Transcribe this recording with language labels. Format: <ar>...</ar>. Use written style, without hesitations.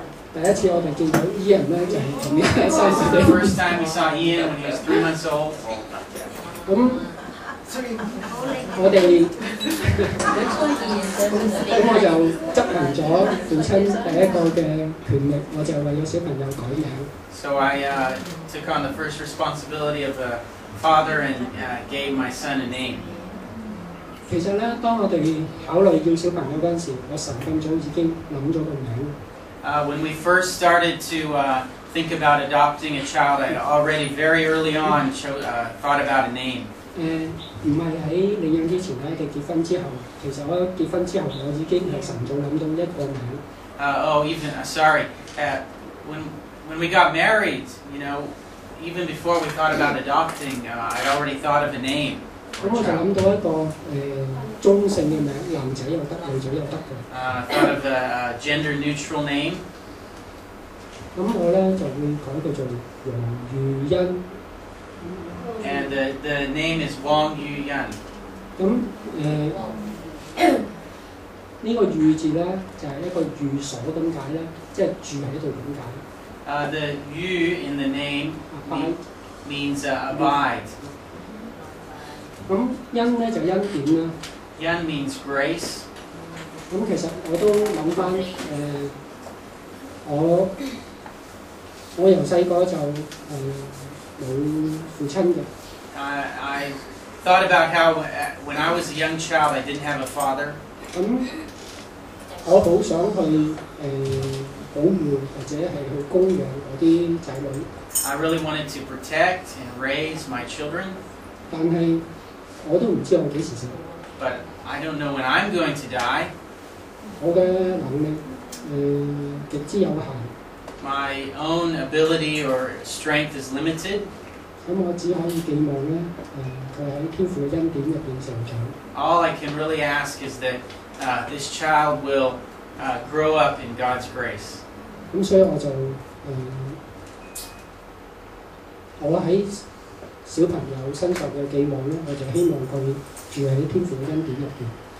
<yue>第一次我哋見到 Ian 咧，就係咁樣。</yue> <en>This is the first time we saw Ian when he was 3 months old. 咁</en> <yue>我哋咁我就執行咗父親第一個嘅權力，我就為咗小朋友改名。</yue> <en>So I took on the first responsibility of a father and gave my son a name.</en> <yue>其實咧，當我哋考慮叫小朋友嗰陣時，我神咁早已經諗咗個名。</yue> <en>When we first started to think about adopting a child, I already very early on thought about a name.</en> <yue>唔係喺領養之前咧，定結婚之後？其實我結婚之後，我已經係神早諗到一個名。</yue> <en>When we got married, you know, even before we thought about adopting, I already thought of a name.</en> <yue>咁我就諗到一個中性嘅名，男仔又得，女仔又得嘅。</yue> <en>Thought of a gender-neutral name.</en> <yue>咁我咧就會改佢做黃裕恩。</yue> <en>And the name is Wang Yuyan.</en> <yue>咁呢個裕字咧就係一個寓所，點解咧？即係住喺度點解？</yue> <en>The Yu in the name means abide.</en> <yue>咁恩咧就恩典啦。</yue> <en>恩 means grace.</en> <yue>咁其實我都諗翻我由細個就冇父親嘅。</yue> <en>I thought about how when I was a young child, I didn't have a father.</en> <yue>咁我好想去保護或者係去供養我啲仔女。</yue> <en>I really wanted to protect and raise my children.</en> <yue>但係我都唔知我幾時死。</yue> <en>But I don't know when I'm going to die.</en> <yue>我嘅能力極之有限。</yue> <en>My own ability or strength is limited.</en> <yue>咁我只可以寄望咧，佢喺天父嘅恩典入邊成長。</yue> <en>All I can really ask is that this child will grow up in God's grace.</en> <yue>咁所以我就我喺小朋友身上嘅寄望咧，我就希望佢住喺天父嘅恩典入邊。</yue>